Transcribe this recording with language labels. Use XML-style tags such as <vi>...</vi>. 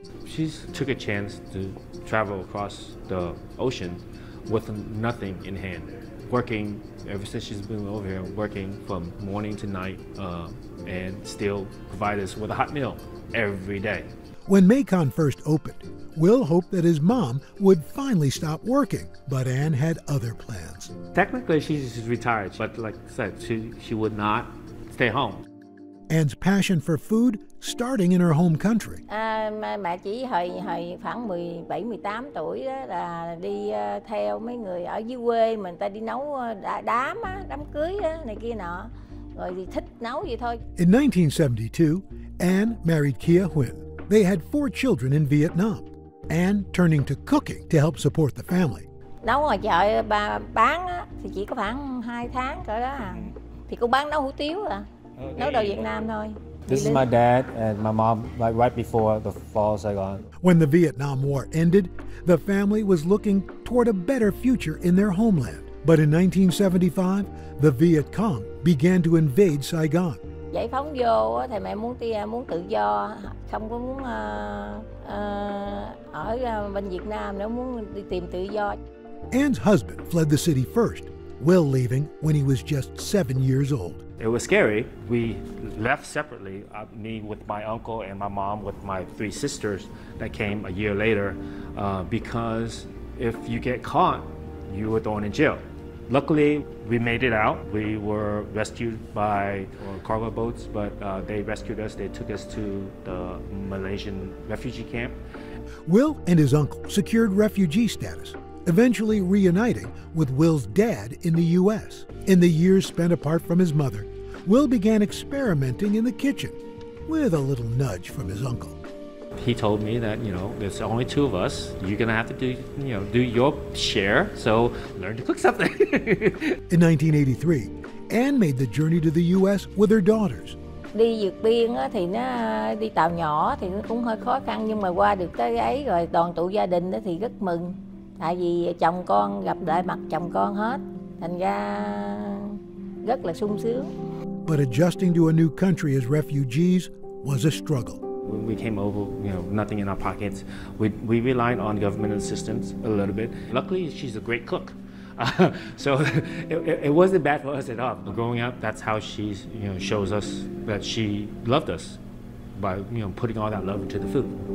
<en>She took a chance to travel across the ocean with nothing in hand, working ever since she's been over here, working from morning to night, and still provide us with a hot meal every day. When Mekon first opened, Will hoped that his mom would finally stop working, but Anh had other plans. Technically, she's retired, but like I said, she would not stay home. Anne's passion for food starting in her home country.</en> <vi>Mẹ chỉ hồi khoảng 17, 18 tuổi đó là đi theo mấy người ở dưới quê mình ta đi nấu đám á, đám cưới á, này kia nọ. Rồi thì thích nấu vậy thôi.</vi> <en>In 1972, Anh married Kia Huyen. They had four children in Vietnam, and turning to cooking to help support the family.</en> <vi>Nấu ngoài chợ ba bán á, thì chỉ có khoảng 2 tháng cỡ đó à. Thì cô bán nấu hủ tiếu à, nấu đồ Việt Nam thôi.</vi> <en>This is my dad and my mom, like right before the fall of Saigon. When the Vietnam War ended, the family was looking toward a better future in their homeland. But in 1975, the Viet Cong began to invade Saigon.</en> <vi>Giải phóng vô thì mẹ muốn tự do, không có muốn ở bên Việt Nam nữa, muốn đi tìm tự do.</vi> <en>Anne's husband fled the city first, Will leaving when he was just 7 years old. It was scary. We left separately, me with my uncle and my mom with my three sisters that came a year later, because if you get caught, you were thrown in jail. Luckily, we made it out. We were rescued by cargo boats, but they rescued us. They took us to the Malaysian refugee camp. Will and his uncle secured refugee status, eventually reuniting with Will's dad in the U.S. In the years spent apart from his mother, Will began experimenting in the kitchen with a little nudge from his uncle. He told me that, you know, there's only two of us. You're going to have to do your share. So learn to cook something. In 1983, Anh made the journey to the U.S. with her daughters.</en> <vi>Đi vượt biên á, thì nó đi tàu nhỏ thì nó cũng hơi khó khăn. Nhưng mà qua được tới ấy rồi đoàn tụ gia đình đó thì rất mừng. Tại vì chồng con gặp lại mặt chồng con hết. Thành ra rất là sung sướng.</vi> <en>But adjusting to a new country as refugees was a struggle. When we came over, nothing in our pockets. We relied on government assistance a little bit. Luckily, she's a great cook. So it wasn't bad for us at all. But growing up, that's how she shows us that she loved us, by putting all that love into the food.</en>